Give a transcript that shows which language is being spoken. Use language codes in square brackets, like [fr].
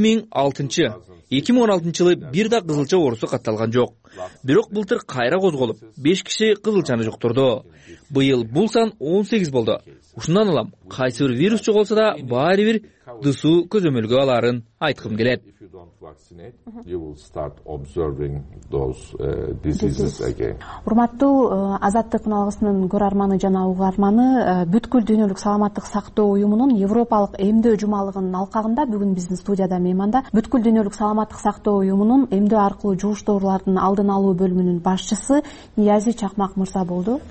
[ky] 2016 жылы бир да кызылча оорусу катталган жок. Бирок былтыр кайра козголуп, 5 киши кызылчаны жуктурду. Быйыл бул сан 18 болду. Ушундан улам кайсы бир вирус жоголсо да баары бир дысуу көзөмөлгө аларын айткым келет. [en] You will start observing those diseases again. [ky] Урматтуу Азаттык каналынын көрөрманы жана угарманы, бүткүл дүйнөлүк саламаттык сактоо уюмунун Европалык эмдөө жумалыгынын алкагында бүгүн биздин студияда мейманда бүткүл дүйнөлүк саламаттык сактоо уюмунун эмдөө аркылуу жугуштуулардын алдын алуу бөлүмүнүн башчысы Ниязи Чакмак мырза болду.